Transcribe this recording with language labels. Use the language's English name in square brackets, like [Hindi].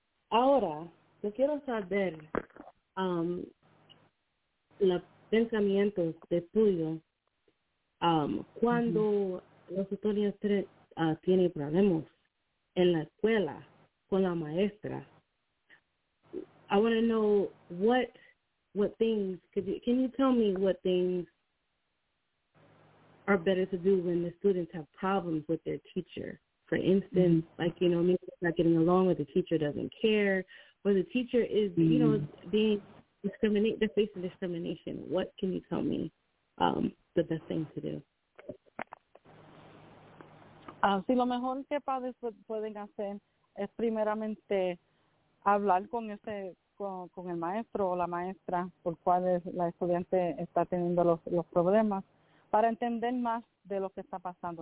[Spanish] Ahora, yo quiero saber los pensamientos de tuyo cuando los estudiantes tienen problemas en la escuela con la maestra. [English] I want to know what things, can you tell me what things are better to do when the students have problems with their teacher? For instance, like, you know, maybe it's not getting along with the teacher, doesn't care, or the teacher is, you know, being discriminated, they're facing discrimination. What can you tell me the best thing to do? [Spanish] Sí, lo mejor que padres pueden hacer es primeramente hablar con el maestro o la maestra por cual la estudiante está teniendo los problemas para entender más de lo que está pasando.